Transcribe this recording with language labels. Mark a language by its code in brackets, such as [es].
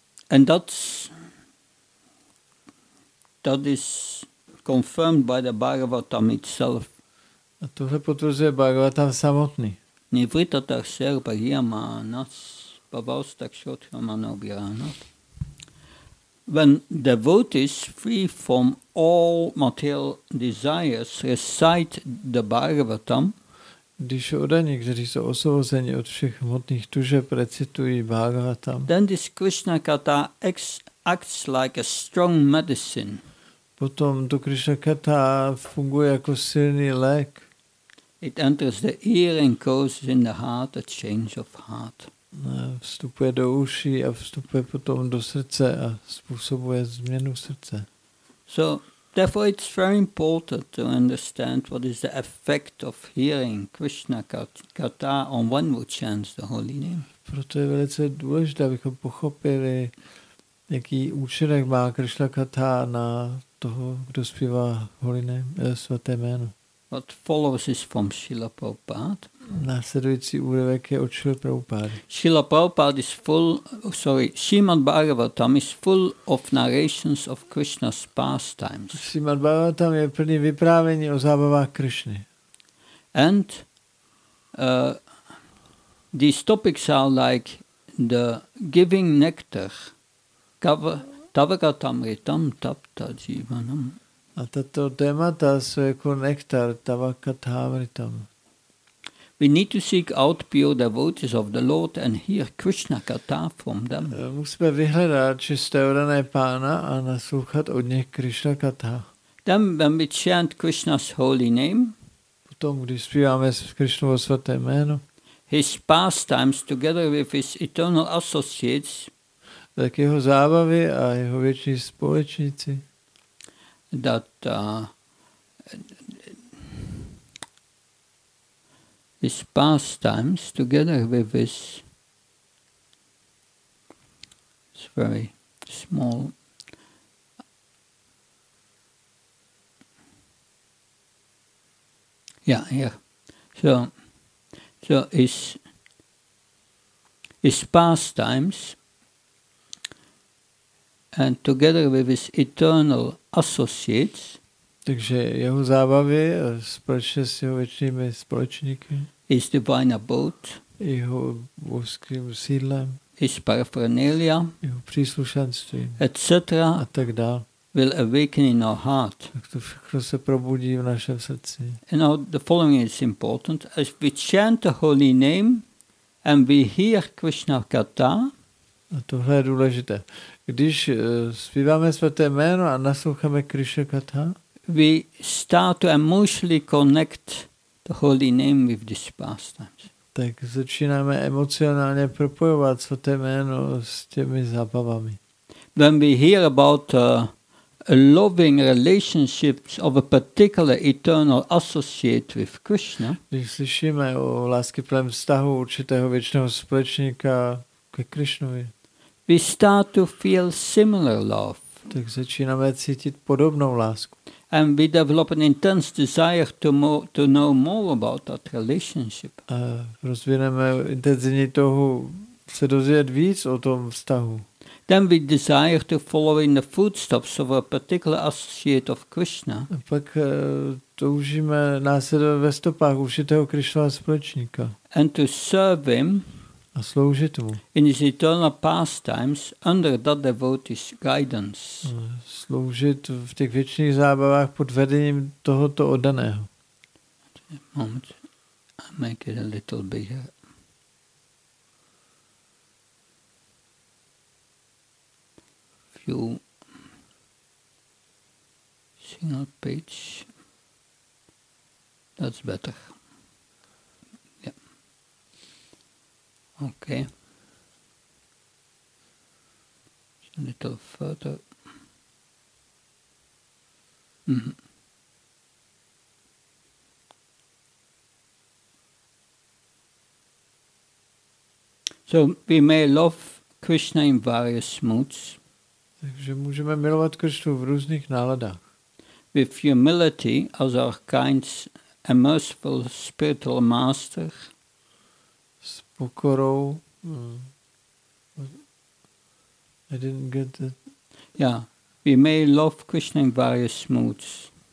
[en] And that is confirmed by the Bhagavatam itself. [cs] A tohle potvrzuje Bhagavatam samotný. Nivrita tak ser bhagyama nas babaus tak shodhyama nobhyana. [en] When devotees free from all material desires recite the Bhagavatam, [cs] když oddaní, kteří jsou osvobozeni od všech hmotných tužeb, recitují Bhagavatam, [en] then this Krishna kata acts like a strong medicine. [cs] Potom to Krishna kata funguje jako silný lék. [en] It enters the ear and causes in the heart a change of heart. [cs] Vstupuje do uší a vstupuje potom do srdce a způsobuje změnu srdce. [en] So therefore, it's very important to understand what is the effect of hearing Krishna katha on one who chants the holy name. [cs] Proto je velice důležité, abychom pochopili, jaký účinek má Krishna katha na toho, kdo zpívá [en] holy name, [cs] svaté jméno. [en] What follows is from Srila Prabhupada. [cs] Následující úryvek je od Srila Prabhupada. [en] Srila Prabhupada is full, Srimad Bhagavatam is full of narrations of Krishna's pastimes. [cs] Srimad Bhagavatam je plný vyprávění o zábavách Krishny. [en] And these topics are like the giving nectar. Tavagatam ritam tapta jivanam. [cs] A tato témata jsou jako nektar, tavakathamritam. [en] We need to seek out pure devotees of the Lord and hear Krishna katha from them. [cs] Musíme vyhledat čisté oddané pána a naslouchat od nich Krishna katha. [en] Then when we chant Krishna's holy name, [cs] potom když zpíváme Krishnovo svaté jméno, [en] his pastimes together with his eternal associates, [cs] tak jeho zábavy a jeho věční společníci, [en] that his pastimes together with his, it's very small, so his pastimes and together with his eternal associates, [cs] takže jeho zábavy společně s jeho věčnými společníky, [en] his divine abode, [cs] jeho božským sídlem, [en] his paraphernalia, [cs] jeho příslušenství, [en] etc. [cs] a tak dál, [en] will awaken in our heart. [cs] Tak to všechno se probudí v našem srdci. [en] And now the following is important. As we chant the holy name and we hear Krishna katha, [cs] a tohle je důležité. Když zpíváme svaté jméno a nasloucháme Krishna katha, [en] we start to emotionally connect the holy name with this pastime. [cs] Tak začínáme emocionálně propojovat svaté jméno s těmi zábavami. [en] When we hear about a loving relationship of a particular eternal associate with Krishna, [cs] když slyšíme o láskyplném vztahu určitého věčného společníka ke Krishnovi, [en] we start to feel similar love. [cs] Tak začínáme cítit podobnou lásku. [en] And we develop an intense desire to know more about that relationship. [cs] A rozvineme intenzivní touhu se dozvědět víc o tom vztahu. [en] Then we desire to follow in the footsteps of a particular associate of Krishna. [cs] A pak toužíme následovat ve stopách určitého Krishnova společníka. [en] And to serve him. [cs] A sloužit mu. [en] In his eternal pastimes under that devotee's guidance. [cs] Sloužit v těch věčných zábavách pod vedením tohoto oddaného. [en] Moment, I make it a little bigger. Single page. That's better. Yeah. Okay. A little further. Mm-hmm. So we may love Krishna in various moods. [cs] Takže můžeme milovat Krishnu v různých náladách. [en] With humility as our kind and merciful spiritual master. [cs] S pokorou. [en] I didn't get that. Yeah, we may love Krishna in various moods.